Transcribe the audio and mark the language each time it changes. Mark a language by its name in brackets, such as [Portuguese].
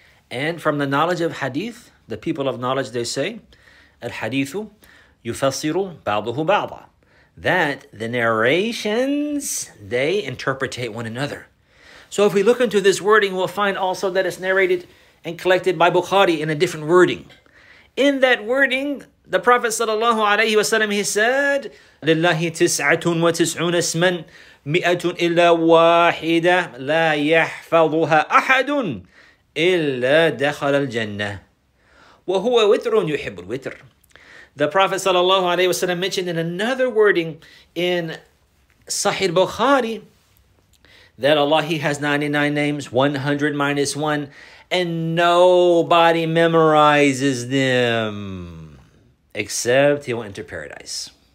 [English] And from the knowledge of hadith, the people of knowledge, they say, [Arabic] al-hadithu yufassiru ba'duhu ba'da, [English] that the narrations, they interpretate one another. So if we look into this wording, we'll find also that it's narrated and collected by Bukhari in a different wording. In that wording, the Prophet sallallahu alayhi wasallam, he said, [Arabic] لِلَّهِ تِسْعَةٌ وَتِسْعُونَ اسْمًا مِئَةٌ إِلَّا وَاحِدَةٌ لَا يَحْفَظُهَا أَحَدٌ إِلَّا دَخَلَ الْجَنَّةِ وَهُوَ وِتْرٌ يُحِبُ الْوِتْرِ. [English] The Prophet sallallahu alayhi wasallam mentioned in another wording in Sahih Bukhari that Allah, he has 99 names, 100 minus 1, and nobody memorizes them except he will enter paradise.